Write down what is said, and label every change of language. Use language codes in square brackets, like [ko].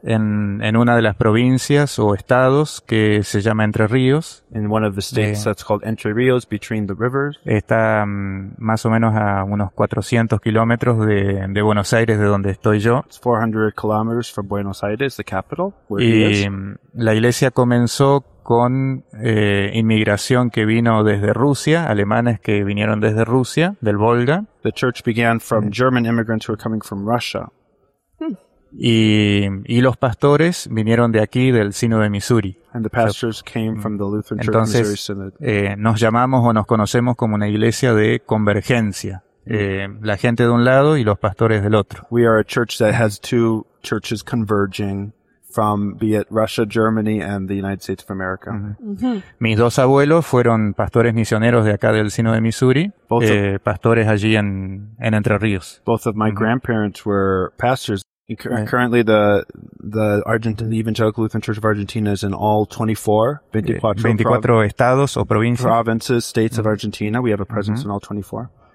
[es] En una de las provincias o estados que se llama Entre Ríos. [en] In one of the states that's called Entre Ríos, between the rivers. [es] Está más o menos a unos 400 kilómetros de Buenos Aires, de donde estoy yo. [en] It's 400 kilometers from Buenos Aires, the capital, where [es] y [en] he is. [es] La iglesia comenzó con inmigración que vino desde Rusia, alemanes que vinieron desde Rusia, del Volga. [en] The church began from German immigrants who were coming from Russia. [es] Y los pastores vinieron de aquí, del Sínodo de Missouri. [en] And the pastors came from the Lutheran Church of Missouri Synod. [es] Entonces, nos llamamos o nos conocemos como una iglesia de convergencia. La gente de un lado y los pastores del otro. [en] We are a church that has two churches converging from, be it Russia, Germany, and the United States of America. Mm-hmm. [es] Mis dos abuelos fueron pastores misioneros de acá del Sínodo de Missouri, pastores allí en Entre Ríos. [en] Both of my grandparents were pastors. Currently, the Argentine Evangelical Lutheran Church of Argentina is in all 24 [es] estados o provincias. [en] Provinces, states of Argentina. We have a presence in all 24.